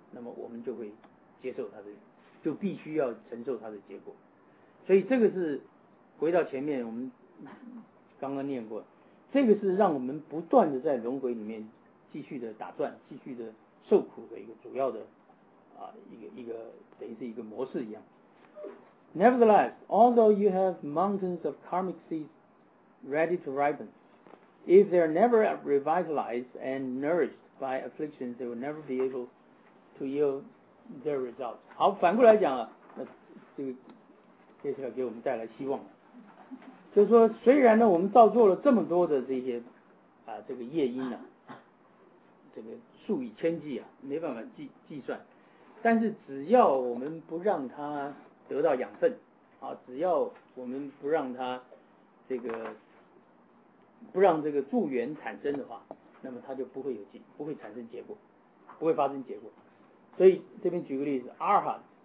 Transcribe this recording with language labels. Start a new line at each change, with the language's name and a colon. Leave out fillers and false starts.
Chinese: 那么我们就会接受它的，就必须要承受它的结果。所以这个是回到前面我们刚刚念过，这个是让我们不断的在轮回里面。继续的打转，继续的受苦的一个主要的啊，一个等于是一个模式一样。
English: Nevertheless, although you have mountains of karmic seeds ready to ripen, if they are never revitalized and nourished by afflictions, they will never be able to yield their results.
Chinese: 好，反过来讲啊，那这个接下来给我们带来希望，就是说，虽然呢，我们造作了这么多的这些啊，这个业因呢、啊。这个数以千计啊，没办法计算，但是只要我们不让它得到养分啊，只要我们不让它这个不让这个助缘产生的话，那么它就不会产生结果，不会发生结果。所以这边举个例子，阿尔哈